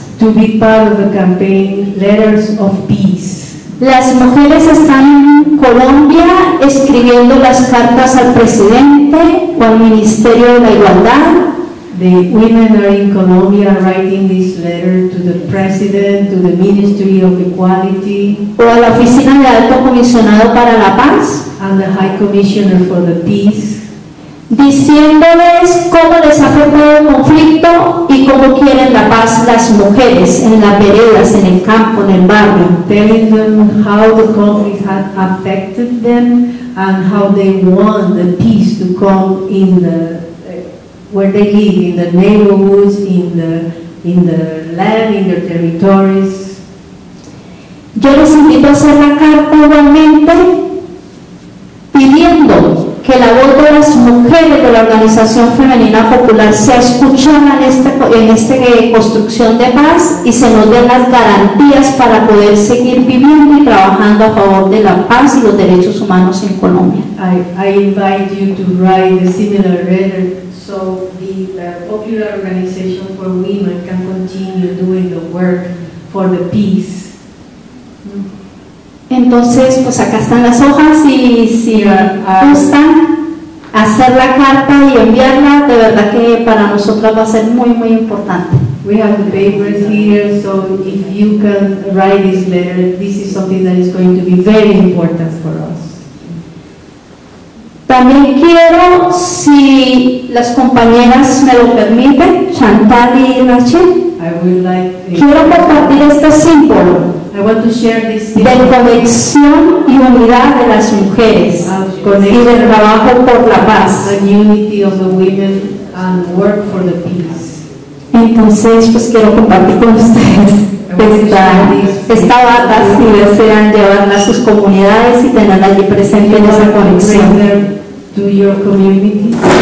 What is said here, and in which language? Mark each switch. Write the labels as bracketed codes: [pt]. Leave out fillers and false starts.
[en] To be part of the campaign Letters of Peace. [es] Las mujeres están en Colombia escribiendo las cartas al presidente o al Ministerio de la Igualdad. [en] The women are in Colombia writing this letter to the president, to the Ministry of Equality, [es] o a la Oficina de Alto Comisionado para la Paz, [en] and the High Commissioner for the Peace, [es] diciéndoles cómo les ha afectado el conflicto y cómo quieren la paz las mujeres en las veredas, en el campo, en el barrio. [en] Telling them how the conflict has affected them and how they want the peace to come in the where they live, in the neighborhoods, in the land, in their territories. [es] Yo les invito a hacer la carta igualmente pidiendo que la voz de las mujeres de la Organización Femenina Popular sea escuchada en esta construcción de paz y se nos den las garantías para poder seguir viviendo y trabajando a favor de la paz y los derechos humanos en Colombia. [en] I invite you to write a similar letter so the popular organization for women can continue doing the work for the peace. [es] Entonces, pues acá están las hojas y si gustan hacer la carta y enviarla, de verdad que para nosotras va a ser muy, muy importante. [en] We have the papers here, so if you can write this letter, this is something that is going to be very important for us. [es] También quiero, si las compañeras me lo permiten, Chantal y Rachael, quiero compartir este símbolo. [en] I want to share this [es] de conexión y unidad de las mujeres y del trabajo por la paz. [en] The unity of the women and work for the peace. [es] Entonces, pues quiero compartir con ustedes esta bata si desean llevarla a sus comunidades y tenerla allí presente en esa conexión. [en] To your community.